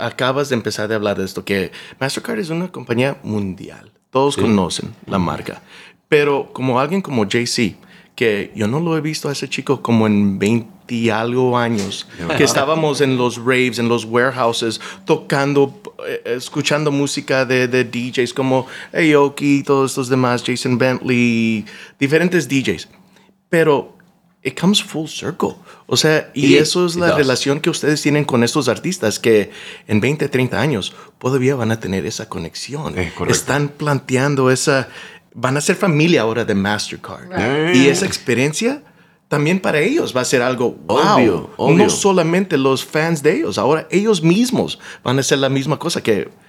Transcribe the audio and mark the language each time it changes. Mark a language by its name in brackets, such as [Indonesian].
[Spanish] Acabas de empezar de hablar de esto, que Mastercard es una compañía mundial, todos conocen la marca, pero como alguien como JC, que yo no lo he visto a ese chico como en 20 y algo años, que estábamos en los raves, en los warehouses, tocando, escuchando música de DJs como Aoki, todos los demás, Jason Bentley, diferentes DJs. Pero [English] it comes full circle. [Spanish] O sea, relación que ustedes tienen con estos artistas que en 20, 30 años todavía van a tener esa conexión. Están planteando esa... Van a ser familia ahora de Mastercard. [English] Right. [Spanish] Y esa experiencia también para ellos va a ser algo wow. Obvio, obvio. No solamente los fans de ellos, ahora ellos mismos van a hacer la misma cosa que...